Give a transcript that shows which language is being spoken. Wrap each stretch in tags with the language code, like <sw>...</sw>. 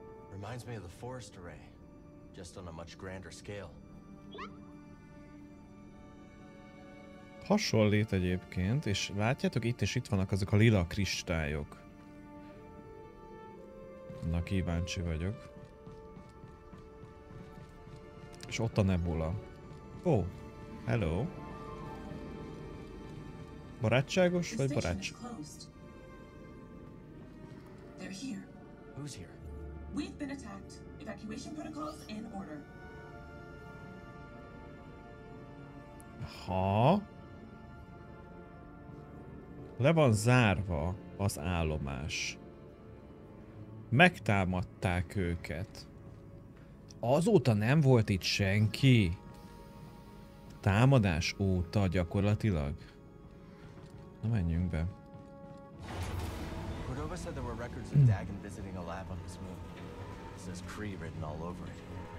<en>Reminds me of the forest array, just on a much grander scale.</en> <hu>Hasonlít egyébként, és látjátok, itt és itt vannak azok a lila kristályok. Na, kíváncsi vagyok. És ott a nebula. Ó,</hu> <en>oh, hello.</en> <hu>Barátságos vagy barátságos?</hu> <en>They're here. Who's here? We've been attacked. Evacuation protocols in order. Ha?</en> <hu>Le van zárva az állomás. Megtámadták őket. Azóta nem volt itt senki. Támadás óta gyakorlatilag. Na, menjünk be.</hu> <en>Cordova said there were records of Dagon visiting a lab on this moon. It says Kree written all over it.</en>